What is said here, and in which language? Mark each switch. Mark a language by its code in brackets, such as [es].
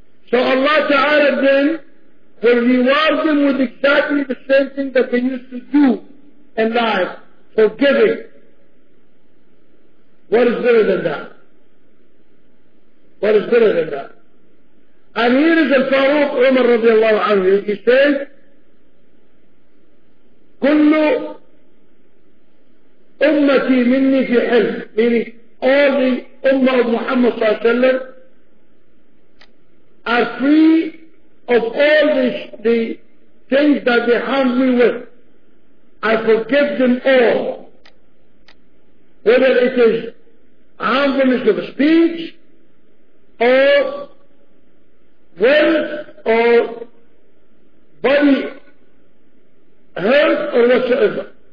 [en] So Allah Ta'ala then will reward them with exactly the same thing that they used to do in life, forgiving. What is better than that? What is better than that? And here is Al-Faruq Umar radiallahu anhu. He said, [ar] كُلُّ أُمَّتِي مِنِّي فِي حِلْمٍ. [en] Meaning, all the Ummah of Muhammad [ar] صلى الله عليه وسلم [en] are free of all the things that they harmed me with. I forgive them all. Whether it is harmfulness of speech, or wealth, or body hurt, or whatsoever.